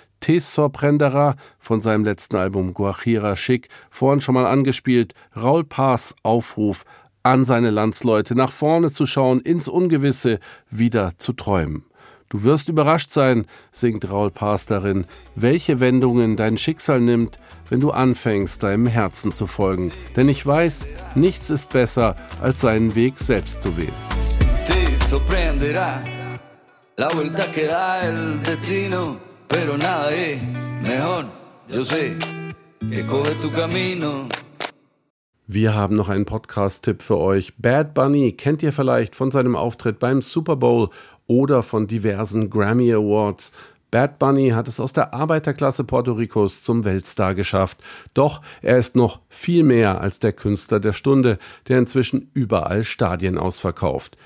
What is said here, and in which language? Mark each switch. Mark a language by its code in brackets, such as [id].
[de] Te Sorprenderá von seinem letzten Album Guajira Chic, vorhin schon mal angespielt, Raúl Paz Aufruf an seine Landsleute, nach vorne zu schauen, ins Ungewisse, wieder zu träumen. Du wirst überrascht sein, singt Raúl Paz darin, welche Wendungen dein Schicksal nimmt, wenn du anfängst, deinem Herzen zu folgen. Denn ich weiß, nichts ist besser, als seinen Weg selbst zu wählen. [es] Te Sorprenderá la vuelta que da el destino. Pero nada es mejor, yo sé que coge tu camino. [de] Wir haben noch einen Podcast-Tipp für euch. Bad Bunny kennt ihr vielleicht von seinem Auftritt beim Super Bowl oder von diversen Grammy Awards. Bad Bunny hat es aus der Arbeiterklasse Puerto Ricos zum Weltstar geschafft. Doch er ist noch viel mehr als der Künstler der Stunde, der inzwischen überall Stadien ausverkauft.